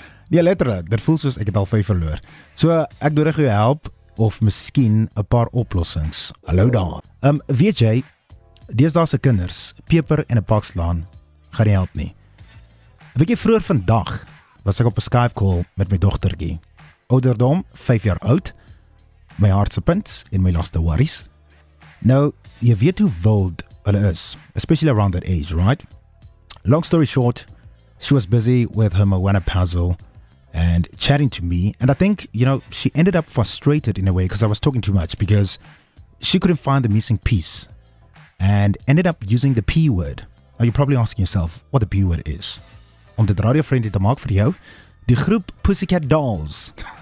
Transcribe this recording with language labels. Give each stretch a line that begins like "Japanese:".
Afrikaans: Nee, letterlijk, dit voel soos ek het al 5 verloor. So, ek nodig jou help, of miskien 'n paar oplossings. Hallo daar. Weet jy, deesdaagse kinders, peper en 'n pak slaan, gaan nie help nie. Weet jy, vroeger vandag, was ek op 'n Skype call met my dogtertjie. Ouderdom, 5 jaar oud, my hartse punt en my laaste worries. Nou, jy weet hoe wild hulle is, especially around that age, right?
English: Long story short, she was busy with her Moana puzzle, and chatting to me, and I think, you know, she ended up frustrated in a way because I was talking too much because she couldn't find the missing piece and ended up using the P word. Now, you're probably asking yourself what the P word is.
Afrikaans: Om dit radiovriendie te maak vir jou, die groep Pussycat Dolls.